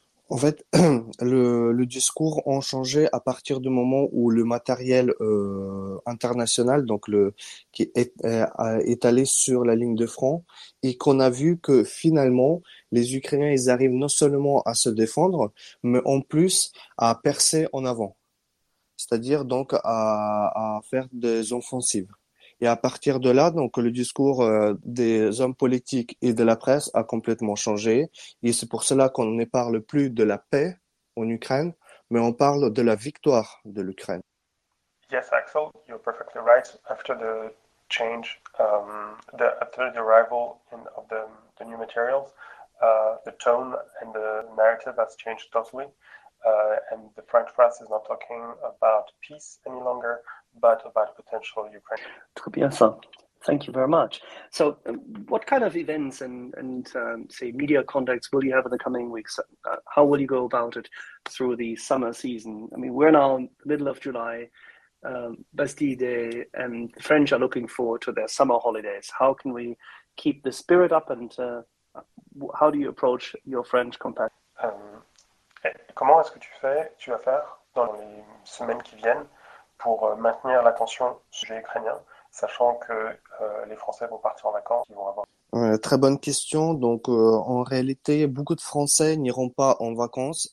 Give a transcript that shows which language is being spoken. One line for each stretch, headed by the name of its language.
French: En fait, le discours a changé à partir du moment où le matériel international, donc qui est allé sur la ligne de front, et qu'on a vu que finalement les Ukrainiens, ils arrivent non seulement à se défendre, mais en plus à percer en avant, c'est-à-dire donc à faire des offensives. Et à partir de là, donc le discours des hommes politiques et de la presse a complètement changé. Et c'est pour cela qu'on ne parle plus de la paix en Ukraine, mais on parle de la victoire de l'Ukraine.
English: Yes, Axel, you're perfectly right. After the change, after the arrival of the new materials, the tone and the narrative has changed totally. And the French press is not talking about peace any longer, but about potential Ukraine.
French: Très bien ça.
English: Thank you very much. So what kind of events say media contacts will you have in the coming weeks? How will you go about it through the summer season? I mean, we're now in the middle of July, Bastille Day, and the French are looking forward to their summer holidays. How can we keep the spirit up, and how do you approach your French compatriots?
French: Comment est-ce que tu vas faire dans les semaines qui viennent pour maintenir l'attention sur les Ukrainiens, sachant que les Français vont partir en vacances, ils vont avoir... Très bonne question. Donc, en réalité, beaucoup de Français n'iront pas en vacances.